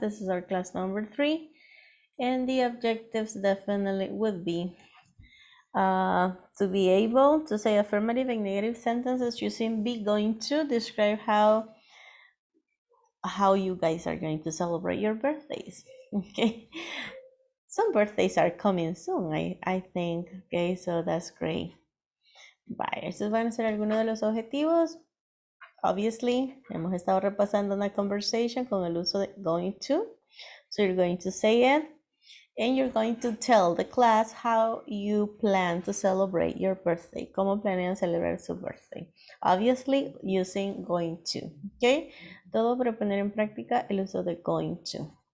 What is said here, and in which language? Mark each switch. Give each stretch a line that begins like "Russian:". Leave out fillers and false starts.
English: This is our class number 3. And the objectives definitely would be to be able to say affirmative and negative sentences using be going to, describe how you guys are going to celebrate your birthdays. Okay, some birthdays are coming soon, I think. Okay, so that's great.
Spanish: Vaya, estos van a ser algunos de los objetivos.
English: Obviously,
Spanish: hemos estado repasando una conversation con el uso de going to.
English: So you're going to say it, and you're going to tell the class how you plan to celebrate your birthday.
Spanish: ¿Cómo planean celebrar su
English: birthday? Obviously, using going to, okay?
Spanish: Todo para poner en práctica el uso de going to.